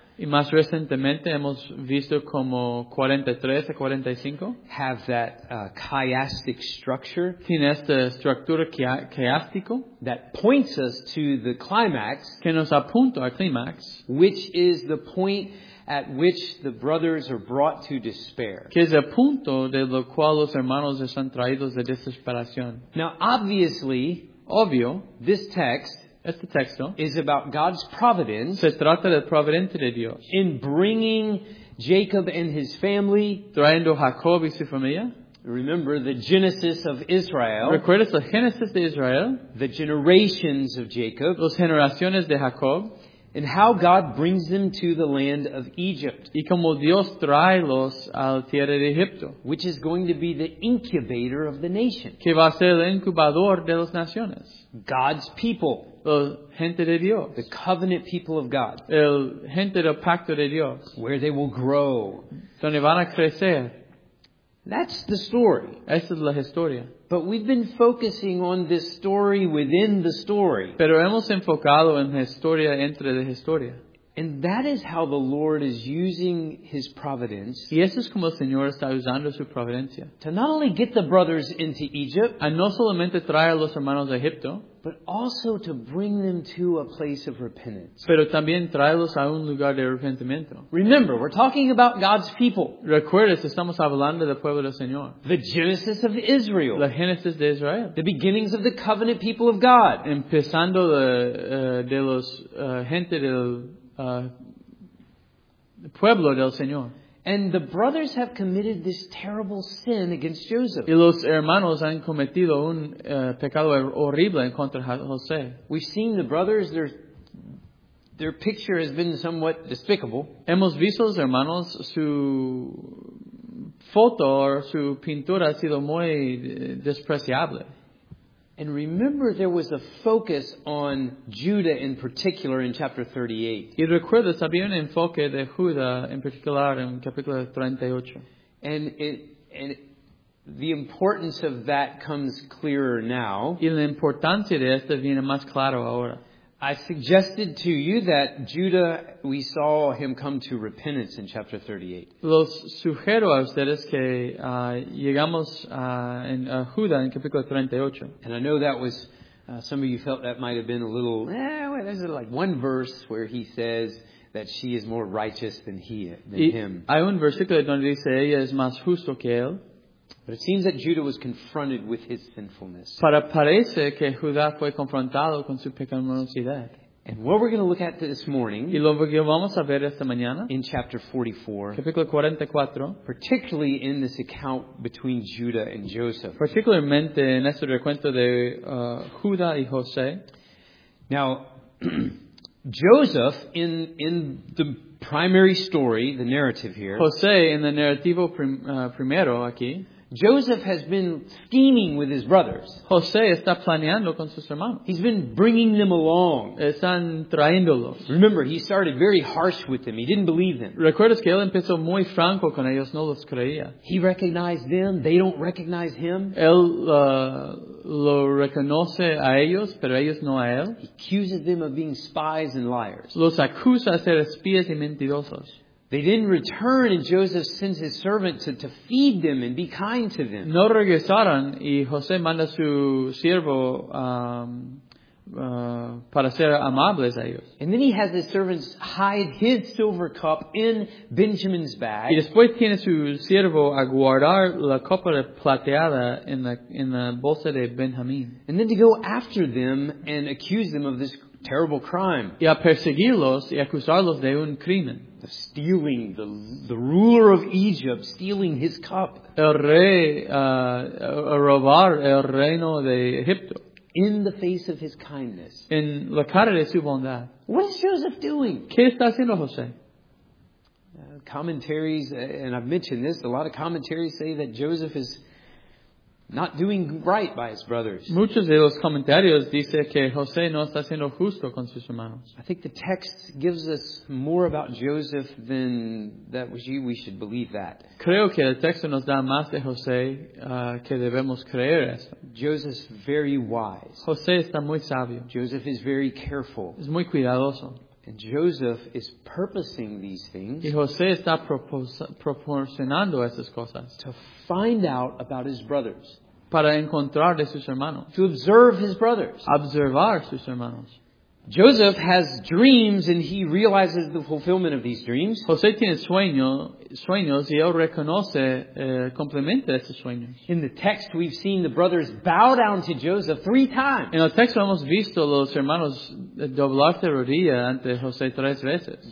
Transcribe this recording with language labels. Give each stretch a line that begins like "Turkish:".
Spanish: Y más recientemente hemos visto como 43 a 45
English: have that chiastic structure.
Spanish: Tiene esta estructura chiástico
English: that points us to the climax,
Spanish: que nos apunta al clímax,
English: which is the point at which the brothers are brought to despair.
Spanish: Que es el punto de lo cual los hermanos están traídos de desesperación.
English: Now, obviously,
Spanish: obvio,
English: this text.
Spanish: Este texto
English: is about God's providence.
Spanish: Se trata de la providencia de Dios.
English: In bringing Jacob and his family.
Spanish: Trayendo Jacob y su familia.
English: Remember the Genesis of Israel.
Spanish: Recuerdas la Génesis de Israel.
English: The generations of Jacob.
Spanish: Las generaciones de Jacob.
English: And how God brings them to the land of Egypt.
Spanish: Y como Dios trae los a la tierra de Egipto.
English: Which is going to be the incubator of the nation.
Spanish: Que va a ser el incubador de las naciones.
English: God's people.
Spanish: La gente de Dios.
English: The covenant people of God.
Spanish: El gente del pacto de Dios.
English: Where they will grow.
Spanish: Donde van a crecer.
English: That's the story.
Spanish: Esa es la historia.
English: But we've been focusing on this story within the story.
Spanish: Pero hemos enfocado en la historia entre la historia.
English: And that is how the Lord is using His providence.
Spanish: Y eso es como el Señor está usando su providencia.
English: To not only get the brothers into Egypt.
Spanish: A no solamente traer a los hermanos a Egipto.
English: But also to bring them to a place of repentance.
Spanish: Pero también traerlos a un lugar de arrepentimiento.
English: Remember, we're talking about God's people.
Spanish: Recuerdas, estamos hablando del pueblo del Señor.
English: The Genesis of Israel.
Spanish: La Génesis de Israel.
English: The beginnings of the covenant people of God.
Spanish: Empezando de los gente del pueblo del Señor.
English: And the brothers have committed this terrible sin against Joseph.
Spanish: Y los hermanos han cometido un pecado horrible en contra de José.
English: We've seen the brothers, their picture has been somewhat despicable.
Spanish: Hemos visto los hermanos, su foto o su pintura ha sido muy despreciable.
English: And remember there was a focus on Judah in particular in chapter 38.
Spanish: Y recuerdas, había un enfoque de Judá en particular en capítulo 38.
English: And the importance of that comes clearer now.
Spanish: Y la importancia de esto viene más claro ahora.
English: I suggested to you that Judah, we saw him come to repentance in chapter 38.
Spanish: Los sugiero a ustedes que llegamos en Judá en capítulo 38.
English: And I know that was, some of you felt that might have been a little, well, there's like one verse where he says that she is more righteous than he, him.
Spanish: Hay un versículo donde dice ella es más justo que él.
English: But it seems that Judah was confronted with his sinfulness.
Spanish: Para parece que Judá fue confrontado con su pecaminosidad.
English: And what we're going to look at this morning,
Spanish: y lo que vamos a ver esta mañana,
English: in chapter 44,
Spanish: capítulo 44,
English: particularly in this account between Judah and Joseph,
Spanish: particularmente en este recuento de Judá y José.
English: Now, Joseph in the primary story, the narrative here.
Spanish: José in the narrativo primero aquí.
English: Joseph has been scheming with his brothers.
Spanish: José está planeando con sus hermanos.
English: He's been bringing them along.
Spanish: Están trayéndolos.
English: Remember, he started very harsh with them. He didn't believe them.
Spanish: Recuerdas que él empezó muy franco con ellos, no los creía.
English: He recognized them. They don't recognize him.
Spanish: Él lo reconoce a ellos, pero ellos no a él.
English: He accuses them of being spies and liars.
Spanish: Los acusa de ser espías y mentirosos.
English: They didn't return, and Joseph sends his servant to feed them and be kind to them.
Spanish: No regresaron, y José manda su siervo para ser amables a ellos.
English: And then he has his servants hide his silver cup in Benjamin's bag.
Spanish: Y después tiene su siervo a guardar la copa de plateada en la bolsa de Benjamín.
English: And then to go after them and accuse them of this terrible crime.
Spanish: Y a perseguirlos y acusarlos de un crimen.
English: Of stealing the ruler of Egypt, stealing his cup.
Spanish: El rey robar el reino de Egipto.
English: In the face of his kindness.
Spanish: En la cara de su bondad.
English: What is Joseph doing?
Spanish: ¿Qué está haciendo José?
English: Commentaries, and I've mentioned this, a lot of commentaries say that Joseph is not doing right by his brothers.
Spanish: Muchos de los comentarios dice que José no está siendo justo con sus hermanos.
English: I think the text gives us more about Joseph than that we should believe that.
Spanish: Creo que el texto nos da más de José que debemos creer eso.
English: Joseph's very wise.
Spanish: José está muy sabio.
English: Joseph is very careful.
Spanish: Es muy cuidadoso.
English: And Joseph is purposing these things.
Spanish: Y José está proporcionando esas cosas.
English: To find out about his brothers.
Spanish: Para encontrar de sus hermanos.
English: To observe his brothers.
Spanish: Observar sus hermanos.
English: Joseph has dreams and he realizes the fulfillment of these dreams.
Spanish: José tiene sueños y él reconoce el cumplimiento de esos sueños.
English: In the text we've seen the brothers bow down to Joseph three times.
Spanish: En el texto hemos visto los hermanos doblar de rodillas ante José tres veces.